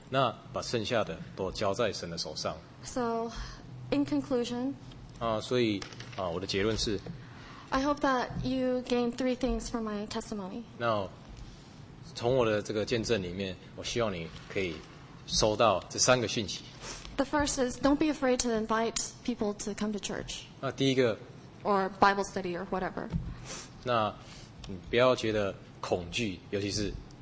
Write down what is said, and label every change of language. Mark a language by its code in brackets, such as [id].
[zh] 那把剩下的都交在神的手上。 [en] So, in conclusion, [zh] 所以我的结论是， [en] I hope that you gain three things from my testimony. [zh] 那从我的这个见证里面，我希望你可以收到这三个讯息。 [en] The first is don't be afraid to invite people to come to church. [zh] 那第一个， [en] or Bible study or whatever. [zh] 那你不要觉得恐惧，尤其是。